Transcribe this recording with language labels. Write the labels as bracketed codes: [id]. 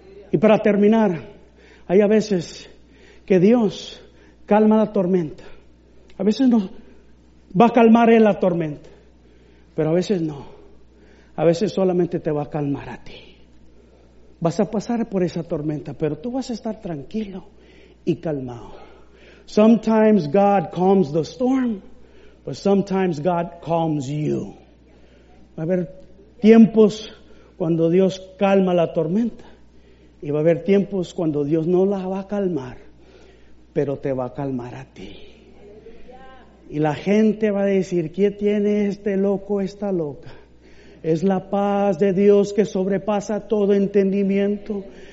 [es] Y para terminar, hay a veces que Dios calma la tormenta. A veces no va a calmar Él la tormenta, pero a veces no. A veces solamente te va a calmar a ti. Vas a pasar por esa tormenta, pero tú vas a estar tranquilo y calmado. [en] Sometimes God calms the storm, but sometimes God calms you. [es] Va a haber tiempos cuando Dios calma la tormenta. Y va a haber tiempos cuando Dios no la va a calmar, pero te va a calmar a ti. Y la gente va a decir, ¿qué tiene este loco, esta loca? Es la paz de Dios que sobrepasa todo entendimiento.